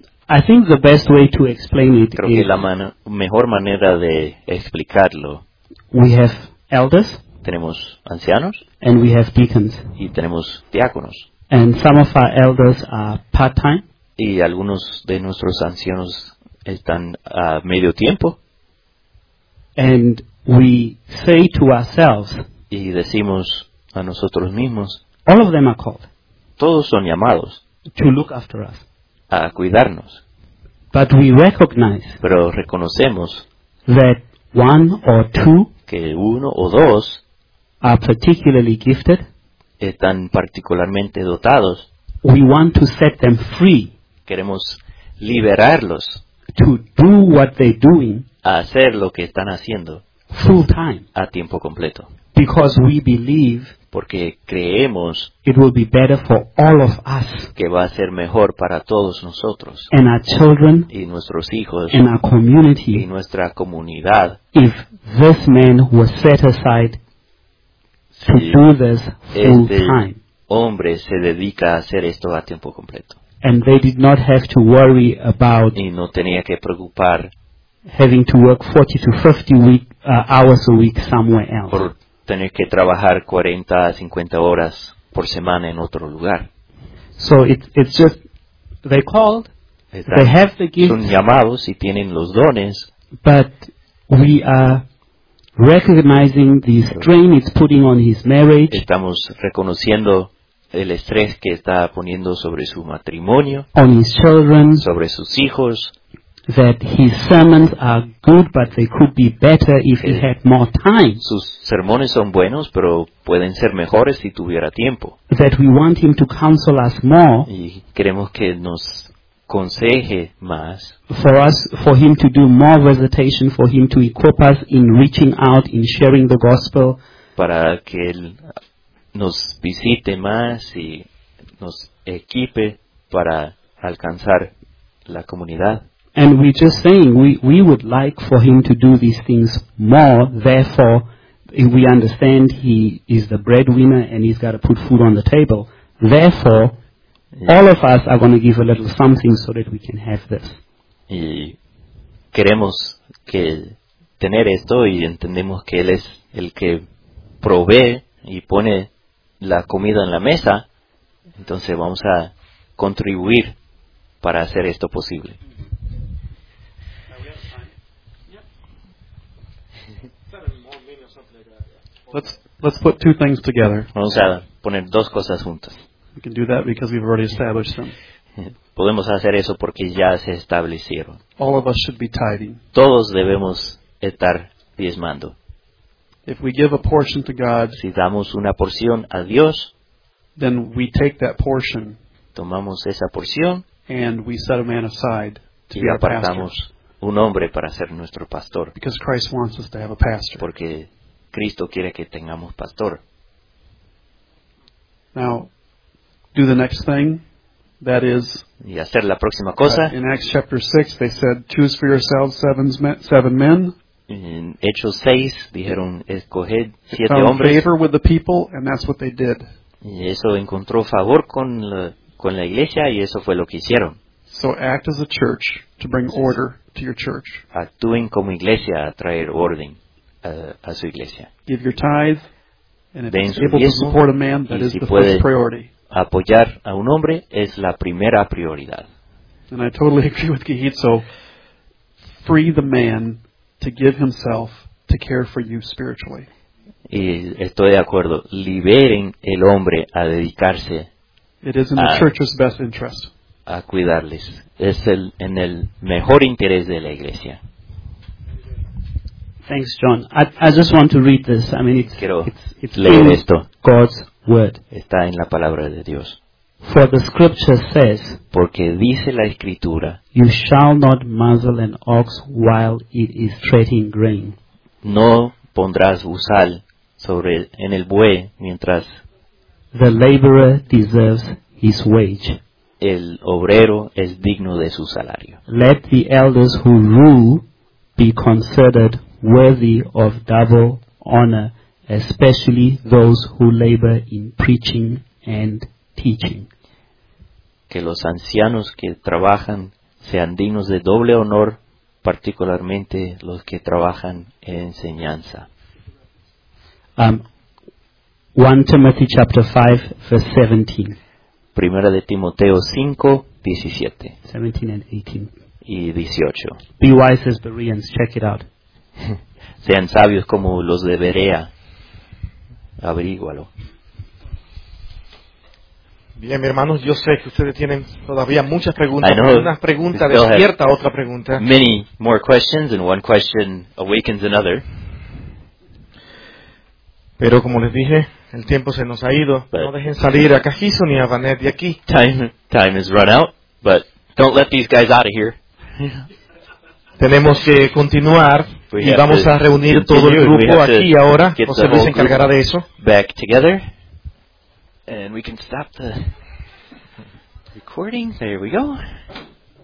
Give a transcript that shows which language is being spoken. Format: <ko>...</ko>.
<en>I think the best way to explain it</en> <es>creo que la mejor manera de explicarlo.</es> <en>We have elders.</en> <es>Tenemos ancianos.</es> <en>And we have deacons.</en> <es>Y tenemos diáconos.</es> <en>And some of our elders are part-time.</en> <es>Y algunos de nuestros ancianos están a medio tiempo.</es> <en>And we say to ourselves,</en> <es>y decimos a nosotros mismos,</es> <en>all of them are called,</en> <es>todos son llamados,</es> <en>to look after us,</en> <es>a cuidarnos,</es> <en>but we recognize,</en> <es>pero reconocemos,</es> <en>that one or two,</en> <es>que uno o dos,</es> <en>are particularly gifted,</en> <es>están particularmente dotados,</es> <en>we want to set them free,</en> <es>queremos liberarlos,</es> <en>to do what they're doing,</en> <es>a hacer lo que están haciendo</es> <en>full time,</en> <es>a tiempo completo,</es> <en>because we believe,</en> <es>porque creemos,</es> <en>it will be better for all of us,</en> <es>que va a ser mejor para todos nosotros,</es> <en>and our children,</en> <es>y nuestros hijos,</es> <en>and our community,</en> <es>y nuestra comunidad,</es> <en>if this man was set aside to do this full time,</en> <es>hombre se dedica a hacer esto a tiempo completo,</es> <en>and they did not have to worry about,</en> <es>y no tenía que preocupar,</es> <en>having to work 40 to 50 hours a week somewhere else.</en> <es>Por tener que trabajar 40 a 50 horas por semana en otro lugar.</es> <en>So it's just, they called, they have the gifts,</en> <es>son llamados y tienen los dones,</es> <en>but we are recognizing the strain it's putting on his marriage.</en> <es>Estamos reconociendo el estrés que está poniendo sobre su matrimonio,</es> <en>on his children,</en> <es>sobre sus hijos,</es> <en>that his sermons are good, but they could be better if he had more time.</en> <es>Sus sermones son buenos, pero pueden ser mejores si tuviera tiempo.</es> <en>That we want him to counsel us more.</en> <es>Y queremos que nos conseje más.</es> <en>For him to do more visitation, for him to equip us in reaching out, in sharing the gospel.</en> <es>Para que él nos visite más y nos equipe para alcanzar la comunidad.</es> <en>And we're just saying we would like for him to do these things more, therefore if we understand he is the breadwinner and he's got to put food on the table. Therefore, all of us are going to give a little something so that we can have this.</en> <es>Y queremos que tener esto y entendemos que él es el que provee y pone la comida en la mesa. Entonces vamos a contribuir para hacer esto posible.</es> <en>Let's put two things together.</en> <es>Vamos a poner dos cosas juntas.</es> <en>We can do that because we've already established them.</en> <es>Podemos hacer eso porque ya se establecieron.</es> <en>All of us should be tithing.</en> <es>Todos debemos estar diezmando.</es> <en>If we give a portion to God,</en> <es>si damos una porción a Dios,</es> <en>then we take that portion,</en> <es>tomamos esa porción,</es> <en>and we set a man aside to</en> <es>y apartamos un hombre para ser nuestro pastor.</es> <en>Because Christ wants us to have a pastor.</en> <es>Porque Cristo quiere que tengamos pastor.</es> <en>Now, do the next thing. That is,</en> <es>y hacer la próxima cosa.</es> <en>In Acts chapter 6, they said, choose for yourselves seven men.</en> <es>En Hechos 6, dijeron, escoged siete</es> <en>found</en> <es>hombres.</es> <en>Favor with the people, and that's what they did.</en> <es>Y eso encontró favor con la iglesia, y eso fue lo que hicieron.</es> <en>So act as a church to bring order to your church.</en> <es>Actúen como iglesia a traer orden. A su iglesia.</es> <en>Give your tithe, and if it's able to support a man, that is the first priority.</en> <es>Apoyar a un hombre es la primera prioridad.</es> <en>And I totally agree with Gihitso. Free the man to give himself to care for you spiritually.</en> <es>Y estoy de acuerdo. Liberen el hombre a dedicarse.</es> <en>It is in the church's best interest.</en> <es>A cuidarles. Es el en el mejor interés de la iglesia.</es> <en>Thanks, John. I just want to read this. I mean, it's</en> <es>leer esto.</es> <en>God's word.</en> <es>Está en la palabra de Dios.</es> <en>For the scripture says,</en> <es>porque dice la escritura,</es> <en>you shall not muzzle an ox while it is treading grain.</en> <es>No pondrás bozal sobre en el buey mientras.</es> <en>The laborer deserves his wage.</en> <es>El obrero es digno de su salario.</es> <en>Let the elders who rule be considered worthy of double honor, especially those who labor in preaching and teaching.</en> <es>Que los ancianos que trabajan sean dignos de doble honor, particularmente los que trabajan en enseñanza.</es> <en>1 Timothy chapter 5, verse 17.</en> <es>Primera de Timoteo 5, 17.</es> <en>17 and 18.</en> <es>Y 18.</es> <en>Be wise as Bereans, check it out.</en> <es>Sean sabios como los de Berea. Averígualo. Bien, hermanos, yo sé que ustedes tienen todavía muchas preguntas. Una pregunta despierta otra pregunta.</es> <en>Many more questions, and one question awakens another.</en> <es>Pero como les dije, el tiempo se nos ha ido.</es> <en>But</en> <es>no dejen salir a Cajizo ni a Vanet de aquí.</es> <en>Time has run out, but don't let these guys out of here.</en> <es>Tenemos que continuar.</es> <en>We</en> <es>y vamos a reunir todo el grupo aquí ahora. José Luis se encargará de eso.</es> <en>Back together. And we can stop the recording. There we go.</en>